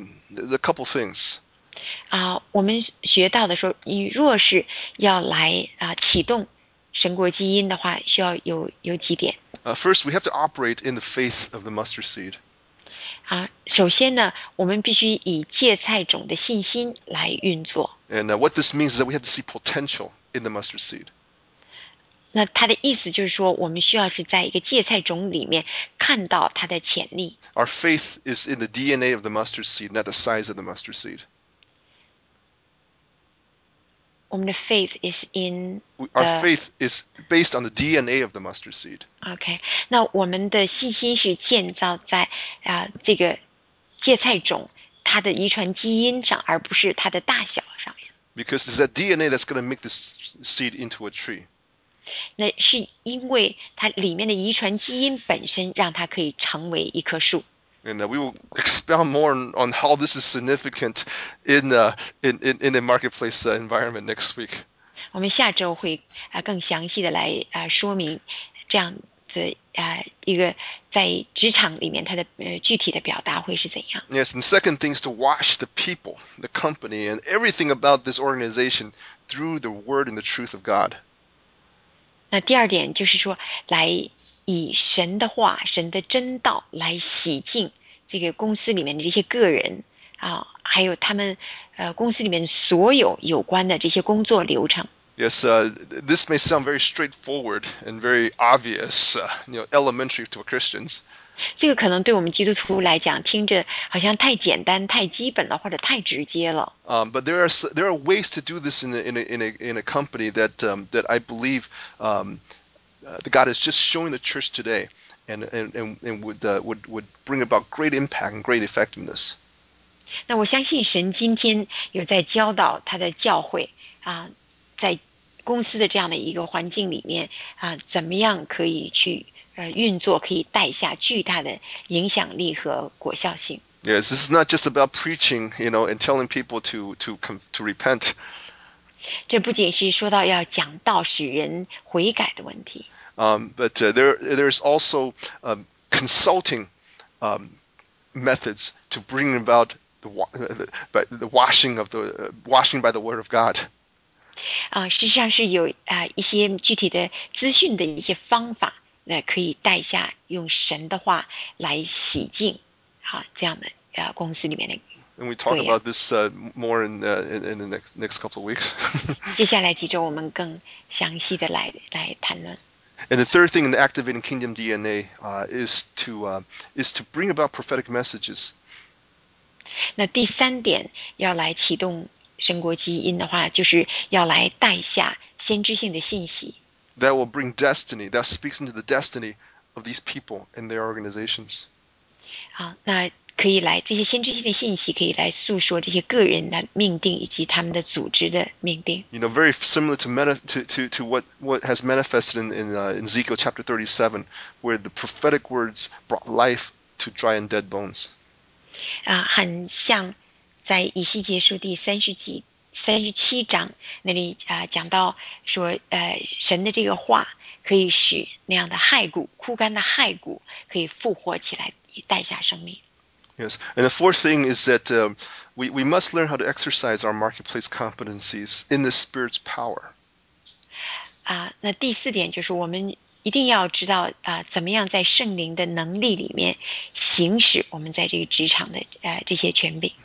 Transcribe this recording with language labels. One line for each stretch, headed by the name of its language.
English: There's a couple things.
Chinese: 我们学到的说，你若是要来启动神国基因的话，需要有几点。
English: First, we have to operate in the faith of the mustard seed.
Chinese: 首先呢，我们必须以芥菜种的信心来运作。
English: And what this means is that we have to see potential in the mustard seed.
Chinese: 那它的意思就是说，我们需要是在一个芥菜种里面看到它的潜力。
English: Our faith is in the DNA of the mustard seed, not the size of the mustard seed. Our faith is based on the DNA of the mustard seed.
Chinese: Okay, 那我们的信心是建造在这个芥菜种它的遗传基因上，而不是它的大小上。
English: Because it's that DNA that's going to make this seed into a tree.
Chinese: 那是因为它里面的遗传基因本身让它可以成为一棵树。
English: And we will expound more on how this is significant in the marketplace environment next week.
Chinese: 我们下周会更详细的来说明这样子一个在职场里面它的具体的表达会是怎样。
English: Yes, and second thing is to wash the people, the company, and everything about this organization through the word and the truth of God.
Chinese: 那第二点就是说来。以神的话神的真道来洗净这个公司里面的这些个人还有他们公司里面所有有关的这些工作流程。
English: Yes, this may sound very straightforward and very obvious, you know, elementary to Christians.
Chinese: 这个可能对我们基督徒来讲听着好像太简单太基本了或者太直接了。
English: But there are ways to do this in a company that, that I believe, God is just showing the church today, and would bring about great impact and great effectiveness.
Chinese: 那我相信神今天有在教导他的教会在公司的这样的一个环境里面怎么样可以去运作，可以带下巨大的影响力和果效性。
English: Yes, this is not just about preaching, you know, and telling people to repent.
Chinese: 这不仅是说到要讲道使人悔改的问题。
English: But there's also consulting methods to bring about the washing of the washing by the word of God.
Chinese: 实际上是有一些具体的资讯的一些方法，那可以带下用神的话来洗净，这样的公司里面的。
English: And we talk about this more in the next couple of weeks.
Chinese: 接下来几周我们更详细的来谈论。
English: And the third thing in activating Kingdom DNA is to bring about prophetic messages.
Chinese: 那第三点要来启动神国基因的话，就是要来带下先知性的信息。
English: That will bring destiny. That speaks into the destiny of these people and their organizations.
Chinese: 那。可以来这些先知性的信息可以来诉说这些个人的命定以及他们的组织的命定。
English: You know, very similar to what has manifested in Ezekiel chapter 37, where the prophetic words brought life to dry and dead bones.
Chinese: 很像在以西结书第37章那里讲到说神的这个话可以使那样的骸骨枯干的骸骨可以复活起来带下生命。
English: Yes, and the fourth thing is that we must learn how to exercise our marketplace competencies in the Spirit's power.
Chinese: 那第四点就是我们一定要知道啊、怎么样在圣灵的能力里面行使我们在这个职场的这些权柄。